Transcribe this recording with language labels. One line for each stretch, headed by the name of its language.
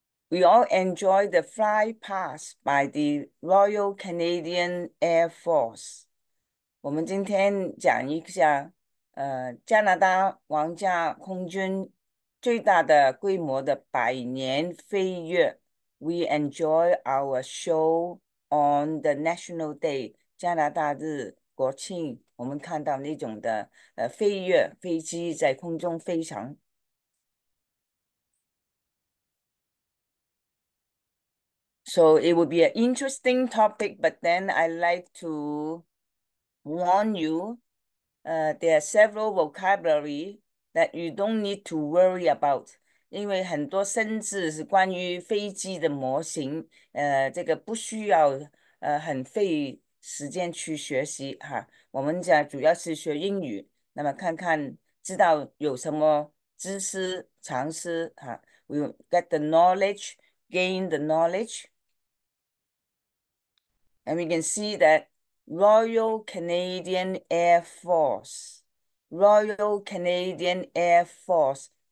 English: We all enjoy the fly pass by the Royal Canadian Air Force.
Chinese: 我们今天讲一下加拿大皇家空军最大的规模的百年飞跃.
English: We enjoy our show on the National Day,
Chinese: 加拿大日国庆，我们看到那种的飞跃，飞机在空中飞翔。
English: So it would be an interesting topic, but then I like to warn you, there are several vocabulary that you don't need to worry about.
Chinese: 因为很多生字是关于飞机的模型，这个不需要很费时间去学习哈。我们讲主要是学英语，那么看看知道有什么知识常识哈。
English: We get the knowledge, gain the knowledge, and we can see that Royal Canadian Air Force, Royal Canadian Air Force。